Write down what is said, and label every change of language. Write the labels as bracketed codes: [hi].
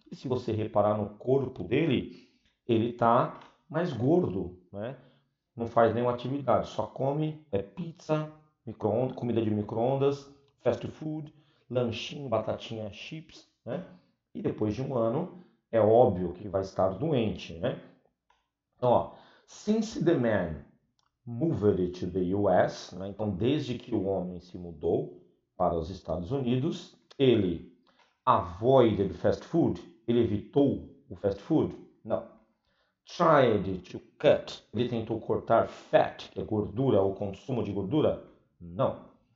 [pt] E se você reparar no corpo dele, ele tá mais gordo, né? Não faz nenhuma atividade, só come é pizza, micro-ondas, comida de micro-ondas, fast food, lanchinho, batatinha, chips, né? E depois de 1 ano, é óbvio que vai estar doente, né? Então, ó, [en] since the man moved to the US, [pt] né? Então, desde que o homem se mudou para os Estados Unidos, ele [en] avoided [pt] fast food. Ele evitou o fast food? Não. [en] Tried to cut. [pt] Ele tentou cortar fat, que é gordura, o consumo de gordura? Não.